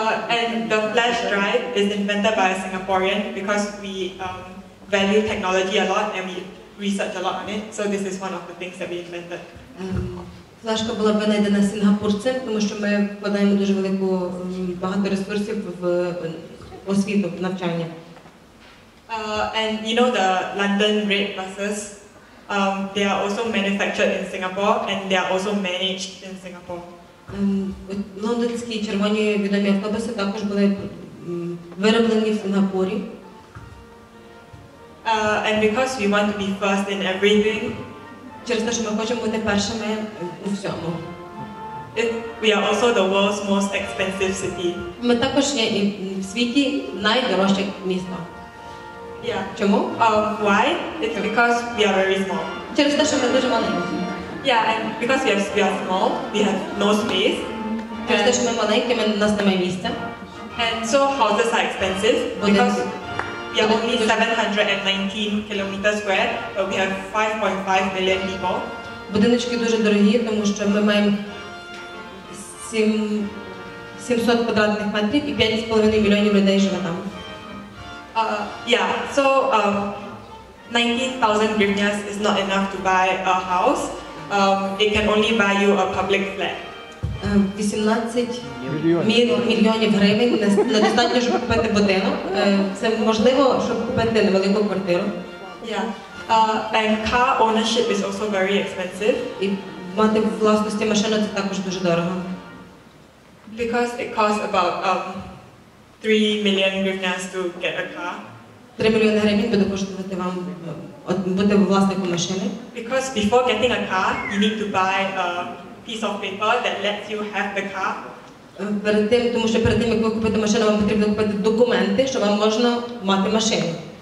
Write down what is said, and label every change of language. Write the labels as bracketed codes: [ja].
[en] And the flash drive is invented by a Singaporean because we value technology a lot and we research a lot on it. So this is one of the things that we invented. [uk] Флешка була винайдена сінгапурцем, тому що ми вкладаємо дуже велику багато ресурсів в освіту, в навчання. [en] And you know the London Red buses, they are also manufactured in Singapore and they are also managed in Singapore. [uk] Лондонські червоні відомі автобуси також були вироблені в Сингапурі. [en] And because we want to be first in everything, [uk] через те, що ми хочемо бути першими у всьому. [en] We are also the world's most expensive city. [uk] Ми також є і в світі найдорожче місто. [en] Yeah. [uk] Чому? [en] Why? It's because we are very small. [uk] Через те, що ми дуже маленькі. [en] Yeah, and because we are small, we have no space. [uk] Через те, що ми маленькі, у нас немає місця. [en] And so houses are expensive because we are only 719 kilometers square, but we have 5.5 million people. [uk] Будиночки дуже дорогі, тому що ми маємо 700 квадратних метрів і 5,5 мільйонів людей живе там. [en] Yeah, so 19,000 гривняс is not enough to buy a house. It can only buy you a public flat. [uk] 18 мільйонів гривень недостатньо, щоб купити будинок. Це можливо, щоб купити невелику квартиру. [en] Yeah. And car ownership is also very expensive. [uk] І мати в власності машину – це також дуже дорого. [en] Because it costs about 3 million гривняс to get a car. [uk] 3 мільйони гривень буде коштувати вам бути власником машини. [en] Because before getting a car, you need to buy a piece of paper that lets you have the car. [uk] Перед тим, як ви купите машину, вам потрібно купити документи, що вам можна мати машину.